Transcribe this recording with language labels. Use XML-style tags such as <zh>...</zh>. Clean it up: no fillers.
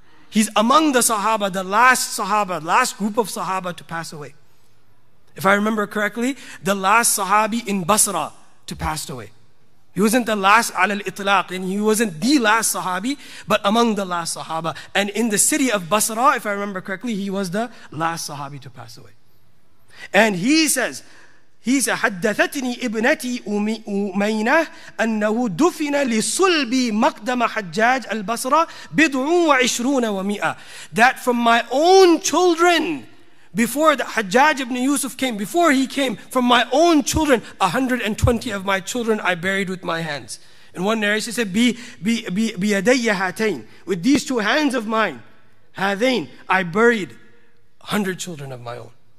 <en>He's among the sahaba, the last sahaba, last group of sahaba to pass away. If I remember correctly, the last sahabi in Basra to pass away. He wasn't the last ala al-itlaq, and he wasn't the last sahabi, but among the last sahaba. And in the city of Basra, if I remember correctly, he was the last sahabi to pass away. And he says,</en> <ar>حدثتني ابنتي أمينة أنه دفن لصلب مقدم حجاج البصرة بضع وعشرون ومئة.</ar> <en>That from my own children, before the Hajjaj ibn Yusuf came, before he came, from my own children, 120 of my children I buried with my hands. In one narration, he said,</en> <ar>"Bi yadayya hatain,"</ar> <en>with these two hands of mine, hatain, I buried 100 children of my own.</en>